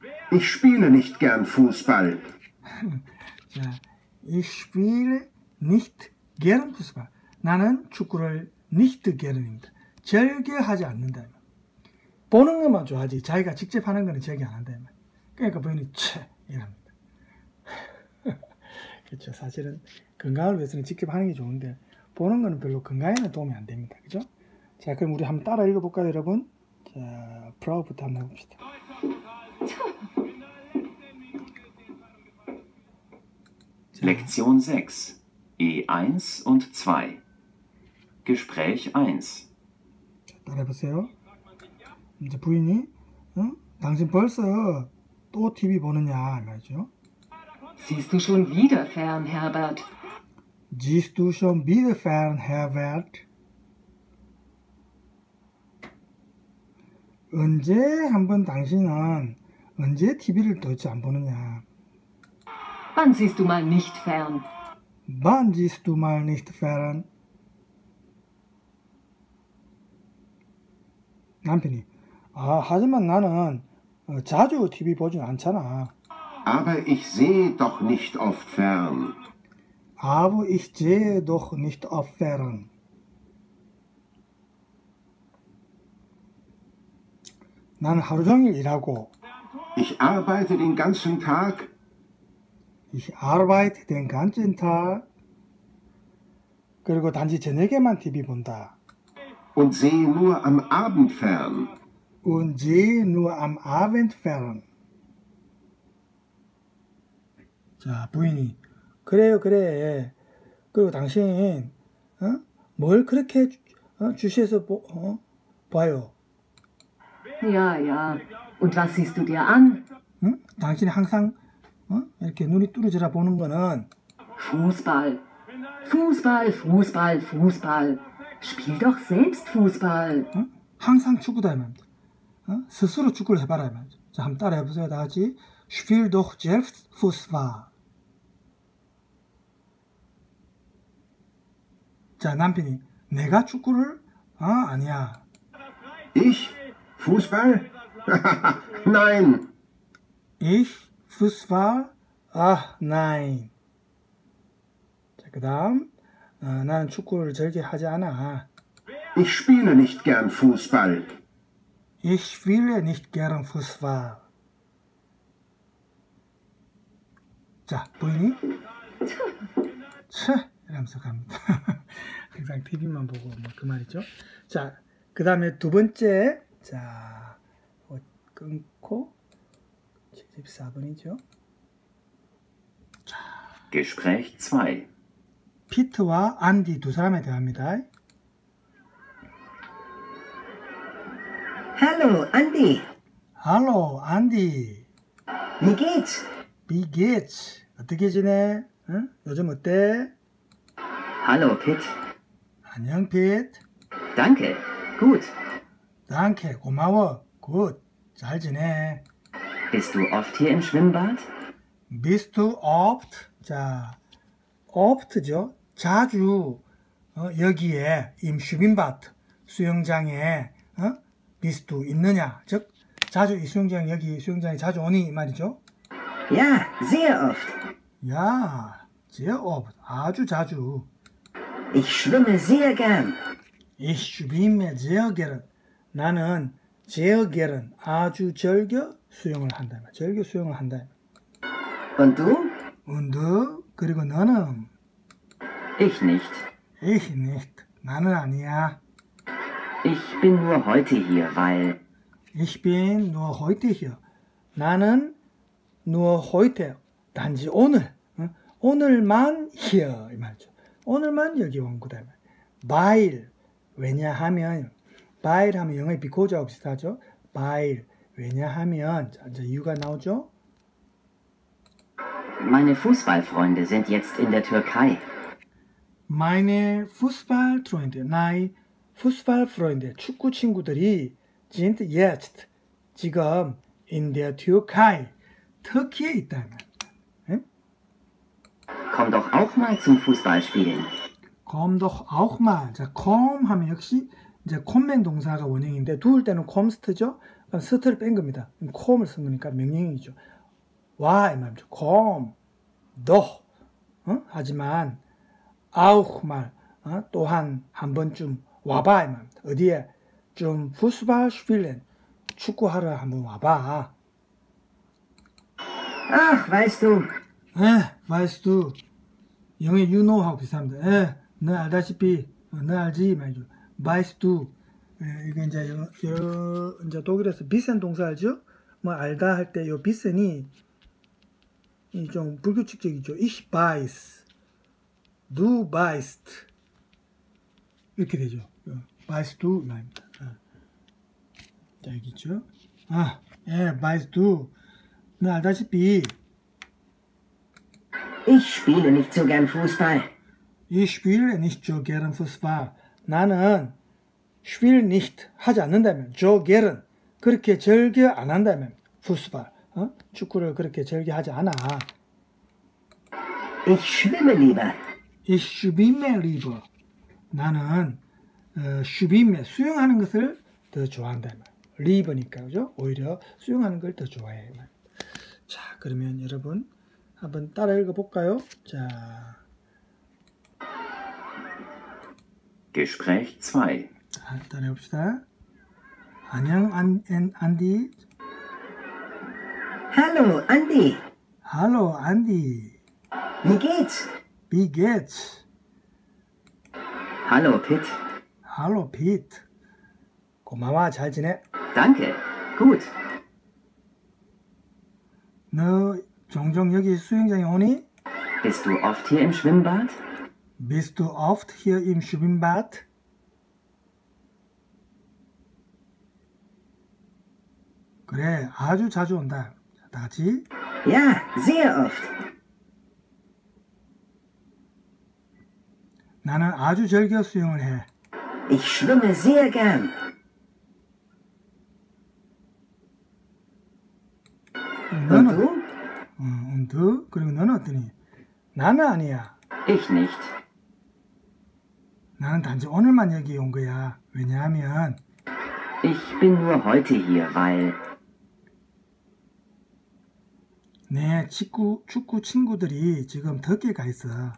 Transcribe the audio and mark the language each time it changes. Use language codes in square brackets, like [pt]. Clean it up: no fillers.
[de] Ich spiele nicht gern Fußball. Ich spiele nicht gern Fußball. [ko] 나는 축구를 [de] nicht gern [ko] 입니다. 절개 하지 않는다. 보는 것만 좋아하지. 자기가 직접 하는 거는 절개 안 한다. 그러니까 부인이 쳇! 이랍니다. 그렇죠. 사실은 건강을 위해서는 직접 하는 게 좋은데, 보는 거는 별로 건강에는 도움이 안 됩니다. 그죠? 자, 그럼 우리 한번 따라 읽어볼까요, 여러분? 자, 프라우부터 한번 해봅시다. [de] Lektion 6, E1 und 2. Gespräch 1. [ko] 따라해보세요. 이제 부인이, 당신 벌써 또 TV 보느냐, 말이죠. [de] Siehst du schon wieder fern, Herbert? Siehst du schon wieder fern, Herbert? [ko] 언제 한번 당신은 언제 TV를 도대체 안 보느냐? [de] Wann siehst du mal nicht fern? Wann siehst du mal nicht fern? [ko] 남편이 아, 하지만 나는 자주 TV 보진 않잖아. [de] Aber ich sehe doch nicht oft fern. Aber ich sehe doch nicht oft fern. [ko] 나는 하루 종일 일하고. [de] Ich arbeite den ganzen Tag. Ich arbeite den ganzen Tag. [ko] 그리고 단지 저녁에만 TV 본다. [de] Und sehe nur am Abend fern. Und sehe nur am Abend fern. [ko] 자, 부인이 그래요, 그래. 그리고 당신 뭘 그렇게 주시해서 봐요. [de] Ja, ja. Und was siehst du dir an? [ko] 당신이 항상 이렇게 눈이 뚫어져라 보는 거는 [de] Fußball. Fußball, Fußball, Fußball. Spiel doch selbst Fußball. [ko] 항상 축구다 이 말입니다. 스스로 축구를 해봐라 이 말입니다. 자, 한번 따라해 보세요. 다 같이 [de] Spiel doch selbst Fußball. [ko] 자, 남편이 내가 축구를 아니야. [de] Ich Fußball? Nein. Ich Fußball? Ah, nein. [ko] 자, 그다음 나는 축구를 절대 하지 않아. [de] Ich spiele nicht gern Fußball. Ich spiele nicht gern Fußball. [ko] 자, 부인이? 차, 이러면서 갑니다. 항상 TV만 보고 뭐 그 말이죠. 자, 그 다음에 두 번째. 자, 끊고 74번이죠. 자, Gespräch 2. 피트와 안디 두 사람에 대합니다. [de] Hallo, Andy. Hallo, Andy. Wie geht's? Wie geht's? [ko] 어떻게 지내? 응? 요즘 어때? [de] Hallo, Pete. [ko] 안녕, Pete. [de] Danke. Gut. Danke. [ko] 고마워. [de] Gut. [ko] 잘 지내. [de] Bist du oft hier im Schwimmbad? Bist du oft? [ko] 자, oft죠. 자주 여기에 [de] im Schwimmbad [ko] 수영장에 [de] bist du [ko] 있느냐? 즉, 자주 이 수영장 여기 수영장에 자주 오니 말이죠. [de] Ja, sehr oft. Ja, sehr oft. [ko] 아주 자주. [de] Ich schwimme sehr gern. Ich schwimme sehr gern. [ko] 나는 [de] sehr gern. [ko] 아주 즐겨 수영을 한다. 즐겨 수영을 한다. [de] Und du? Und du? [ko] 그리고 너는? [de] Ich nicht. Ich nicht. [ko] 나는 아니야. [de] Ich bin nur heute hier, weil... Ich bin nur heute hier. [ko] 나는 [de] nur heute. [ko] 단지 오늘. 오늘만 hier. 이 말이죠. 오늘만 여기 온 거다. weil. 왜냐하면. weil 하면 영어의 because와 비슷하죠. weil. 왜냐하면. 자, 이제 이유가 나오죠. [de] Meine Fußballfreunde sind jetzt in der Türkei. Meine Fußballfreunde. [ko] 나의 Fußballfreunde. 축구 친구들이 [de] sind jetzt. [ko] 지금 [de] in der Türkei. [ko] 터키에 있다. [de] Komm doch auch mal zum Fußballspielen. Komm doch auch mal. [ko] 자, komm 하면 역시 이제 kommen 동사가 원형인데 두울 때는 kommst죠. 그럼 st를 뺀 겁니다. komm을 쓴 거니까 명령이죠. 와 이 말이죠. [de] komm, doch. [ko] 하지만 [de] auch mal. [ko] 또한 한 번쯤 와봐 이 말입니다. 어디에? 좀 Fußballspielen. 축구하러 한번 와봐. [de] Ach, weißt du. 에, weißt du. [ko] 영어 [en] you know [ko] 하고 비슷합니다. 에, 너 알다시피, 너 알지 말이죠. [de] weißt du. [ko] 이게 이제 이제 독일에서 wissen 동사 알죠? 뭐 알다 할 때 요 wissen이 좀 불규칙적이죠. [de] Ich weiß. Du weißt. [ko] 이렇게 되죠. [de] weißt du [ko] 말입니다. 자, 여기 있죠. 아, 에, [de] weißt du. [ko] 너 알다시피. [de] Ich spiele nicht so gern Fußball. Ich spiele nicht so gern Fußball. [ko] 나는 [de] spiel nicht [ko] 하지 않는다면 [de] so gern [ko] 그렇게 즐겨 안 한다면 푸스발, 어? 축구를 그렇게 즐겨 하지 않아. [de] Ich schwimme lieber. Ich schwimme lieber. [ko] 나는 [de] schwimme [ko] 수영하는 것을 더 좋아한다면 lieber니까 그죠? 오히려 수영하는 걸 더 좋아해. 자, 그러면 여러분 한번 따라 읽어 볼까요? 자. [de] Gespräch 2. [ko] 따라해 봅시다. 안녕 안디. [de] Hallo Andy. Hallo Andy. Wie geht's? Hallo Pete. Hallo Pete. [ko] 고마워. 잘 지내. [de] Danke. Gut. [ko] 너 종종 여기 수영장에 오니? [de] Bist du oft hier im Schwimmbad? Bist du oft hier im Schwimmbad? [ko] 그래, 아주 자주 온다. 다 같이. [de] Ja, sehr oft. [ko] 나는 아주 즐겨 수영을 해. [de] Ich schwimme sehr gern. [ko] 너는? [de] Und du? [ko] 응, 그리고 너는 어떠니? 나는 아니야. [de] Ich nicht. [ko] 나는 단지 오늘만 여기 온 거야. 왜냐하면 [de] Ich bin nur heute hier, weil [ko] 내 축구 친구들이 지금 터키에 가 있어.